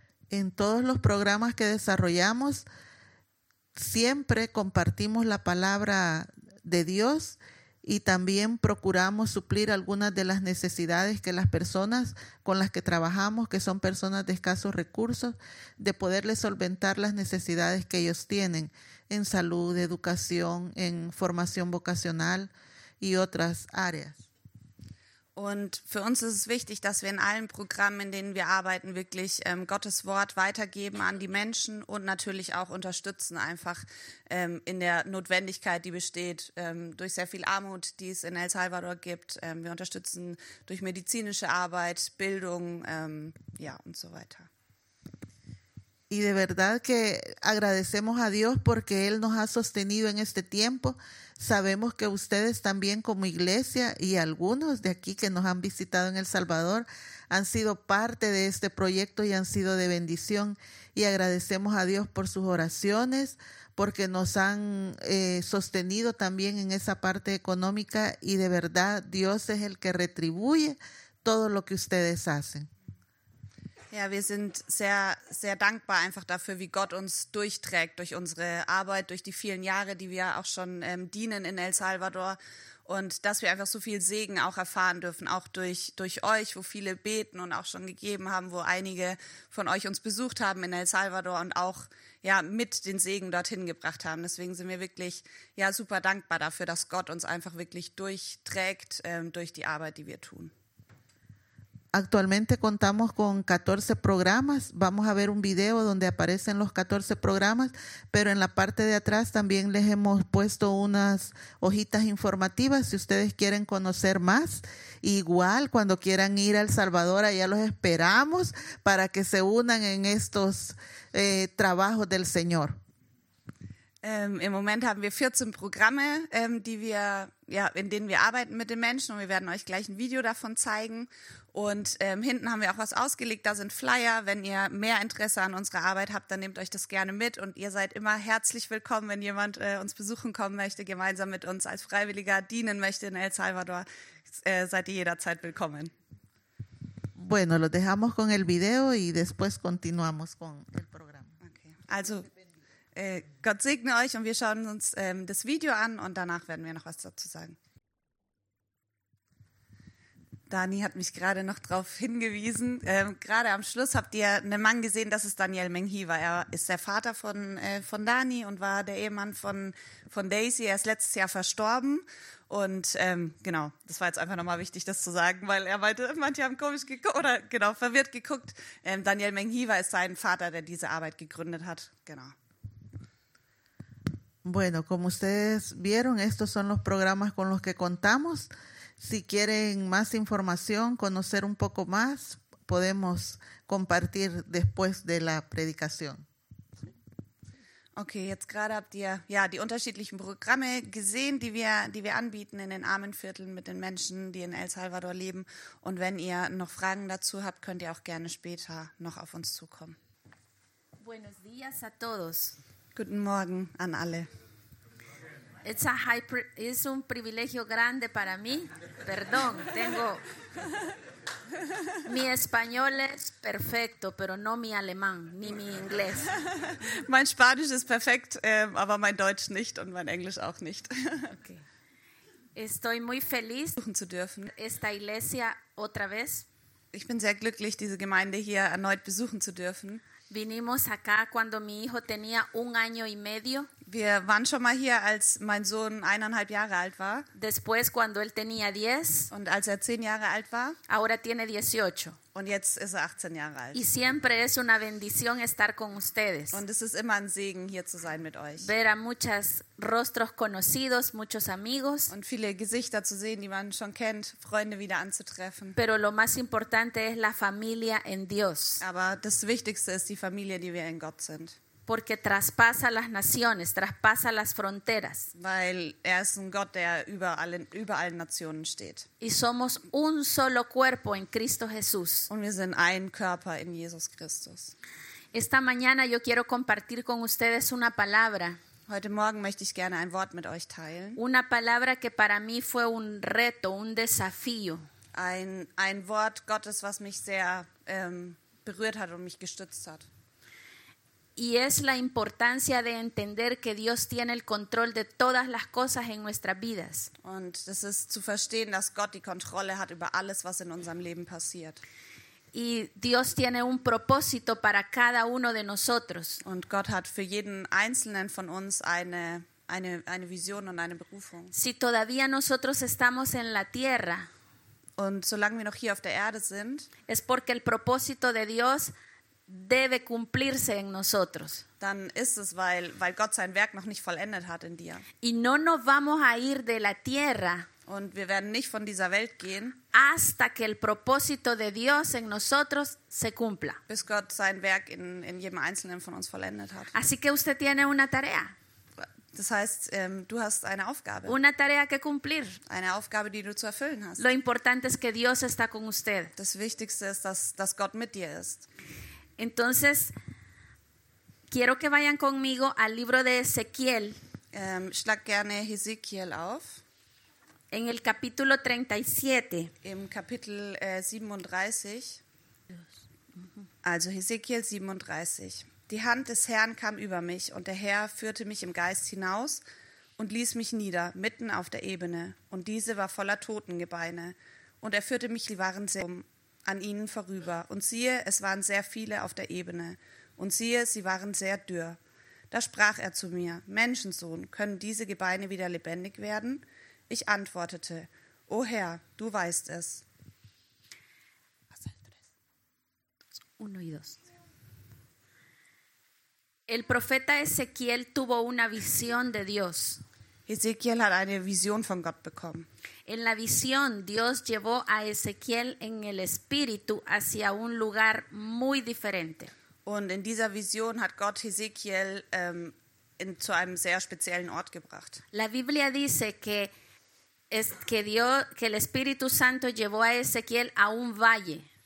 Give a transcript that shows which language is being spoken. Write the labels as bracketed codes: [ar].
[es] En todos los programas que desarrollamos, siempre compartimos la palabra de Dios y también procuramos suplir algunas de las necesidades que las personas con las que trabajamos, que son personas de escasos recursos, de poderles solventar las necesidades que ellos tienen en salud, educación, en formación vocacional y otras áreas. [de] Und für uns ist es wichtig, dass wir in allen Programmen, in denen wir arbeiten, wirklich Gottes Wort weitergeben an die Menschen und natürlich auch unterstützen, einfach in der Notwendigkeit, die besteht, durch sehr viel Armut, die es in El Salvador gibt. Wir unterstützen durch medizinische Arbeit, Bildung, ja, und so weiter. [es] Y de verdad que agradecemos a Dios porque Él nos ha sostenido en este tiempo. Sabemos que ustedes también como iglesia y algunos de aquí que nos han visitado en El Salvador han sido parte de este proyecto y han sido de bendición y agradecemos a Dios por sus oraciones porque nos han sostenido también en esa parte económica y de verdad Dios es el que retribuye todo lo que ustedes hacen. [de] Ja, wir sind sehr, sehr dankbar einfach dafür, wie Gott uns durchträgt durch unsere Arbeit, durch die vielen Jahre, die wir auch schon dienen in El Salvador und dass wir einfach so viel Segen auch erfahren dürfen, auch durch euch, wo viele beten und auch schon gegeben haben, wo einige von euch uns besucht haben in El Salvador und auch ja, mit den Segen dorthin gebracht haben. Deswegen sind wir wirklich ja, super dankbar dafür, dass Gott uns einfach wirklich durchträgt durch die Arbeit, die wir tun. [es] Actualmente contamos con 14 programas. Vamos a ver un video donde aparecen los 14 programas, pero en la parte de atrás también les hemos puesto unas hojitas informativas. Si ustedes quieren conocer más, igual cuando quieran ir a El Salvador, allá los esperamos para que se unan en estos trabajos del Señor. [de] Im Moment haben wir 14 Programme, in denen wir arbeiten mit den Menschen und wir werden euch gleich ein Video davon zeigen. Und hinten haben wir auch was ausgelegt, da sind Flyer. Wenn ihr mehr Interesse an unserer Arbeit habt, dann nehmt euch das gerne mit. Und ihr seid immer herzlich willkommen, wenn jemand uns besuchen kommen möchte, gemeinsam mit uns als Freiwilliger dienen möchte in El Salvador, seid ihr jederzeit willkommen. [es] Bueno, lo dejamos con el video y después continuamos con el programa. Okay. [de] Also, Gott segne euch und wir schauen uns das Video an und danach werden wir noch was dazu sagen. Dani hat mich gerade noch darauf hingewiesen. Gerade am Schluss habt ihr einen Mann gesehen, das ist Daniel Mengíbar. Er ist der Vater von Dani und war der Ehemann von Daisy. Er ist letztes Jahr verstorben. Und genau, das war jetzt einfach nochmal wichtig, das zu sagen, weil er meinte, manche haben komisch geguckt oder genau, verwirrt geguckt. Daniel Mengíbar ist sein Vater, der diese Arbeit gegründet hat. Genau. [es] Bueno, como ustedes vieron, estos son los programas con los que contamos. Si quieren más información, conocer un poco más, podemos compartir después de la predicación. [de] Okay, jetzt gerade habt ihr ja die unterschiedlichen Programme gesehen, die wir anbieten in den Armenvierteln mit den Menschen, die in El Salvador leben. Und wenn ihr noch Fragen dazu habt, könnt ihr auch gerne später noch auf uns zukommen. [es] Buenos días a todos. [de] Guten Morgen an alle. [es] It's a high es un privilegio grande para mí. Perdón, tengo mi español es perfecto, pero no mi alemán ni mi inglés. [de] Mein Spanisch ist perfekt, aber mein Deutsch nicht und mein Englisch auch nicht. [es] Okay. Estoy muy feliz [de] suchen zu dürfen. [es] Esta iglesia otra vez. [de] Ich bin sehr glücklich, diese Gemeinde hier erneut besuchen zu dürfen. [es] Vinimos acá cuando mi hijo tenía un año y medio. [de] Wir waren schon mal hier, als mein Sohn 1,5 Jahre alt war. [es] Después cuando él tenía 10. [de] Und als er 10 Jahre alt war. [es] Ahora tiene 18. [de] Und jetzt ist er 18 Jahre alt. [es] Y siempre es una bendición estar con ustedes. [de] Und es ist immer ein Segen, hier zu sein mit euch. [es] Ver a muchos rostros conocidos, muchos amigos. [de] Und viele Gesichter zu sehen, die man schon kennt, Freunde wieder anzutreffen. [es] Pero lo más importante es la familia en Dios. [de] Aber das Wichtigste ist die Familie, die wir in Gott sind. [es] Porque traspasa las naciones, traspasa las fronteras. [de] Weil er ist ein Gott, der über allen Nationen steht. [es] Y somos un solo cuerpo en Cristo Jesús. [de] Und wir sind ein Körper in Jesus Christus. [es] Esta mañana yo quiero compartir con ustedes una palabra. [de] Heute Morgen möchte ich gerne ein Wort mit euch teilen. [es] Una palabra que para mí fue un reto, un desafío. [de] Ein Wort Gottes, was mich sehr berührt hat und mich gestützt hat. [es] Y es la importancia de entender que Dios tiene el control de todas las cosas en nuestras vidas. [de] Und das ist zu verstehen, dass Gott die Kontrolle hat über alles, was in unserem Leben passiert. [es] Y Dios tiene un propósito para cada uno de nosotros. [de] Und Gott hat für jeden einzelnen von uns eine Vision und eine Berufung. [es] Si todavía nosotros estamos en la tierra. [de] Und solange wir noch hier auf der Erde sind. [es] Es porque el propósito de Dios debe cumplirse en nosotros. [de] Dann ist es, weil Gott sein Werk noch nicht vollendet hat in dir. [es] Y no nos vamos a ir de la tierra. [de] Und wir werden nicht von dieser Welt gehen. [es] Hasta que el propósito de Dios en nosotros se cumpla. [de] Bis Gott sein Werk in jedem Einzelnen von uns vollendet hat. [es] Así que usted tiene una tarea. [de] Das heißt, du hast eine Aufgabe. [es] Una tarea que cumplir. [de] Eine Aufgabe, die du zu erfüllen hast. [es] Lo importante es que Dios está con usted. [de] Das Wichtigste ist, dass Gott mit dir ist. [es] Entonces, quiero que vayan conmigo al libro de Ezequiel. [de] Schlag gerne Ezequiel auf. [es] En el capítulo 37. [de] Im Kapitel 37. Also Ezequiel 37. Die Hand des Herrn kam über mich und der Herr führte mich im Geist hinaus und ließ mich nieder, mitten auf der Ebene. Und diese war voller Totengebeine. Und er führte mich, die waren sehr an ihnen vorüber. Und siehe, es waren sehr viele auf der Ebene. Und siehe, sie waren sehr dürr. Da sprach er zu mir, Menschensohn, können diese Gebeine wieder lebendig werden? Ich antwortete, O Herr, du weißt es. [es] Uno y dos. El profeta Ezequiel tuvo una visión de Dios. [de] Ezequiel hat eine Vision von Gott bekommen. [es] En la visión, Dios llevó a Ezequiel en el espíritu hacia un lugar muy diferente. [de] Und in dieser Vision hat Gott Ezequiel zu einem sehr speziellen Ort gebracht. [es] La Biblia dice que el Espíritu Santo llevó a Ezequiel a un valle.